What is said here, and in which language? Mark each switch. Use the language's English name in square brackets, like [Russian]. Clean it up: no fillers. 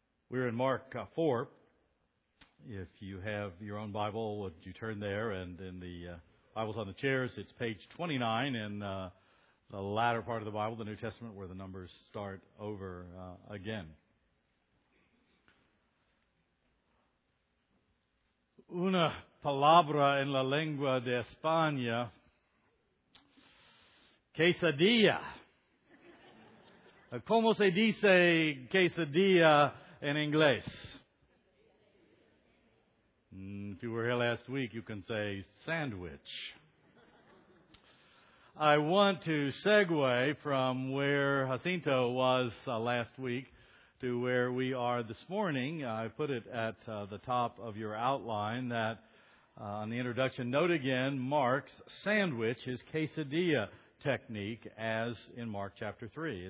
[English] We're in Mark 4. If you have your own Bible, would you turn there? And in the Bibles on the chairs, it's page 29 in the latter part of the Bible, the New Testament, where the numbers start over again. [Spanish] Una palabra en la lengua de España. Quesadilla. ¿Cómo se dice quesadilla en inglés? [English] If you were here last week, you can say sandwich. I want to segue from where Jacinto was last week to where we are this morning. I put it at the top of your outline that on the introduction, note again, Mark's sandwich, his quesadilla technique, as in Mark chapter 3.